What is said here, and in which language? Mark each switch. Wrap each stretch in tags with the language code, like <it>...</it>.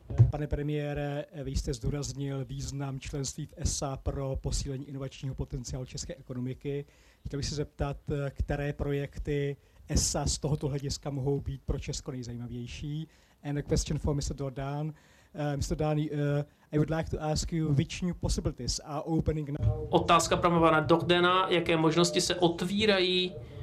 <cs>Pane premiére, vy jste zdůraznil význam členství v ESA pro posílení inovačního potenciálu české ekonomiky. Chtěl bych se zeptat, které projekty ESA z tohoto hlediska mohou být pro Česko nejzajímavější.</cs> <en>And a question for Mr. Dordain. Mr. Dordain, I would like to ask you which new possibilities are opening now.</en> <cs>Otázka pro pana Dordaina, jaké možnosti se otvírají?</cs>